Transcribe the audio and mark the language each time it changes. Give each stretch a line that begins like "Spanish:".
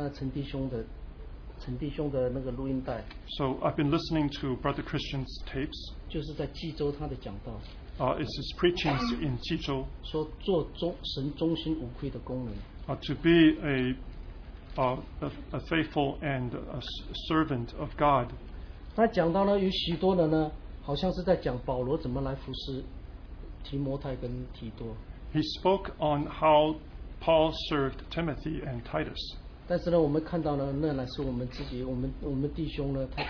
Chinese: 所以你也看到了,我最近也在听陈弟兄的那个录音带,
English: so I've been listening to Brother Christian's tapes. It's his preachings in Jizhou.
Chinese: 说做神中心无愧的功能,
English: to be a faithful and a servant of God.
Chinese: 他讲到呢,
English: he spoke on how Paul served Timothy and Titus.
Chinese: 但是呢,我们看到呢,那乃是我们自己,我们弟兄呢,